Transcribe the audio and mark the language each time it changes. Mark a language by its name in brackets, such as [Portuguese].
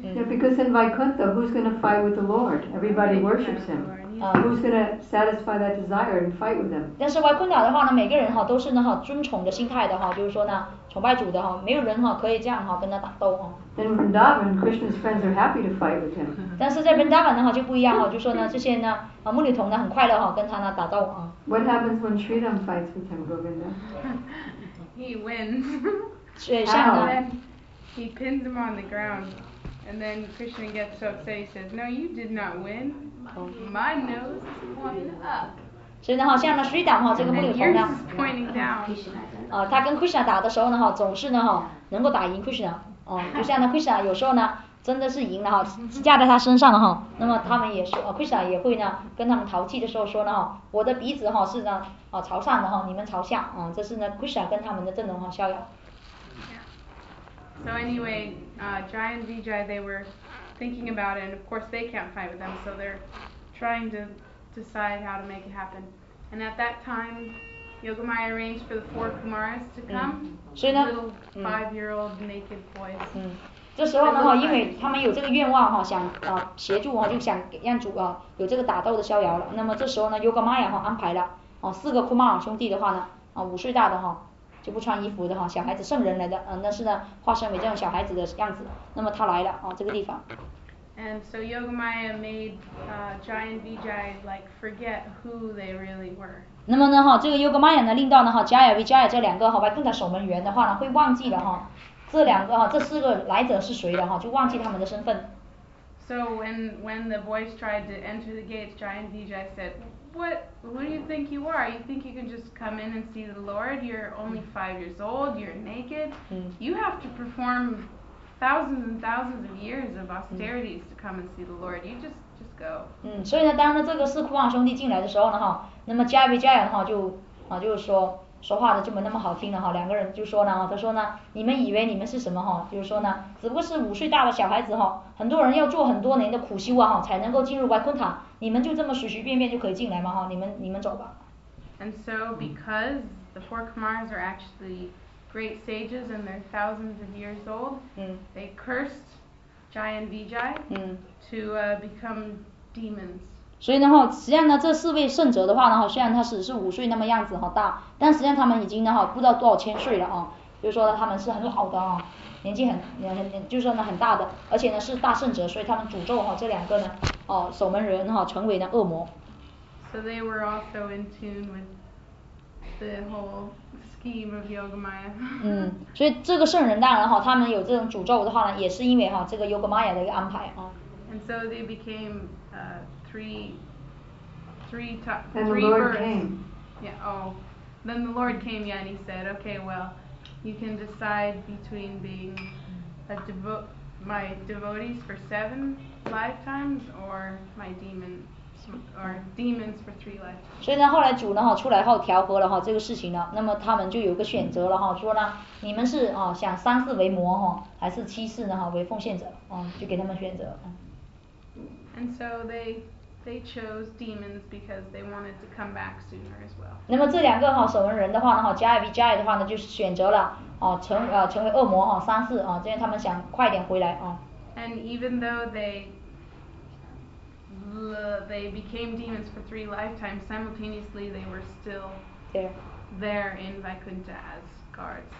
[English] Yeah, because in Vaikuntha, who's going to fight with the Lord? Everybody worships him. Who's going to satisfy that desire and fight with him? [Chinese] 但是 Vaikuntha 的话呢，每个人哈都是呢哈尊崇的心态的哈，就是说呢崇拜主的哈，没有人哈可以这样哈跟他打斗哈。 [English] Then Vrindavan, Krishna's friends are happy to fight with him. [Chinese] 但是在 Vrindavan 的话就不一样哈，就说呢这些呢啊牧女童呢很快乐哈跟他呢打斗啊。 [English] What happens when Sridham fights with him, Govinda? He wins. And then he pins him on the ground, and then Krishna gets so upset. He says, "No, you did not win. My nose is pointing up." [Chinese] 所以呢，哈，像那 Sridham 哈，这个木牛头呢，他跟 Krishna 打的时候呢，哈，总是呢，哈，能够打赢 Krishna。就像那 Krishna 有时候呢，真的是赢了哈，架在他身上了哈。那么他们也说，Krishna 也会呢，跟他们淘气的时候说呢，哈，我的鼻子哈是呢，朝上的哈，你们朝下，这是呢 Krishna 跟他们的阵容哈，逍遥。 [English] So anyway, Jai and Vijay, they were thinking about it, and of course they can't fight with them, so they're trying to decide how to make it happen. And at that time, Yogamaya arranged for the four Kumaras to come, little five-year-old naked boys. [Chinese] 这时候呢哈，因为他们有这个愿望哈，想协助哈，就想让主有这个打斗的逍遥了。那么这时候呢 ，Yogamaya 哈安排了四个 Kumar 兄弟的话呢，五岁大的哈。就不穿衣服的哈，小孩子圣人来的，但是呢，化身为这种小孩子的样子，那么他来了这个地方。 [English] And so Yogamaya made Jai and Vijay like forget who they really were. [Chinese] 那么呢哈，这个 Yogamaya 呢，令到呢哈 ，Jai and Vijay 这两个哈，Vaikuntha守门员的话呢，会忘记了哈，这两个哈，这四个来者是谁的哈，就忘记他们的身份。 [English] So when the boys tried to enter the gates, Jai and Vijay said. What do you think you are? You think you can just come in and see the Lord? You're only 5 years old. You're naked. You have to perform thousands and thousands of years of austerities to come and see the Lord. You just go. [Chinese] 所以呢，当呢这个四库旺兄弟进来的时候呢，哈，那么加维加尔哈就是说话的就没那么好听了哈。两个人就说呢，他说呢，你们以为你们是什么哈？就是说呢，只不过是五岁大的小孩子哈。很多人要做很多年的苦修啊哈，才能够进入 Vaikuntha。你们就这么随随便便就可以进来吗？哈，你们走吧。 [English] And so because the four Kumaras are actually great sages and they're thousands of years old,they cursed Jai and Vijay to become demons. [Chinese] 所以呢哈，实际上呢，这四位圣哲的话呢哈，虽然他只是五岁那么样子哈大，但实际上他们已经呢哈不知道多少千岁了就是说他们是很老的年纪很就是说呢很大的，而且呢是大圣者，所以他们诅咒这两个呢守门人成为恶魔。 [English] So they were also in tune with the whole scheme of Yogamaya. [Chinese] 所以这个圣人当然他们有这种诅咒的话呢，也是因为这个 Yogamaya 的一个安排 [English] And so they became three Then the Lord came. Yeah, oh. Then the Lord came, yeah, and he said, okay, well, you can decide between being a my devotees for 7 lifetimes or my demon. Or [Chinese] 所以呢，后来主呢哈出来后调和了哈这个事情呢，那么他们就有个选择了哈，说呢，你们是啊想三世为魔哈，还是七世呢哈为奉献者，嗯，就给他们选择。 [English] And so they chose demons because they wanted to come back sooner as well. [Chinese] 那么这两个哈守门人的话呢哈，加尔比加尔的话呢就是选择了啊成为恶魔哈三世啊，因为他们想快点回来啊。 [English] And even though they became demons for 3 lifetimes, simultaneously they were still there in Vaikuntha as guards.